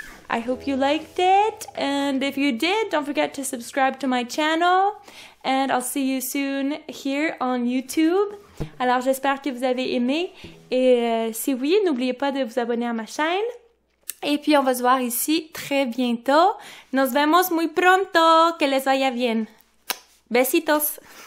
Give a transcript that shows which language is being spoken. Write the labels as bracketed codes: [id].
[en] I hope you liked it, and if you did, don't forget to subscribe to my channel, and I'll see you soon here on YouTube. [fr] Alors, j'espère que vous avez aimé, et si oui, n'oubliez pas de vous abonner à ma chaîne. Et puis, on va se voir ici très bientôt. [es] Nos vemos muy pronto. Que les vaya bien. Besitos.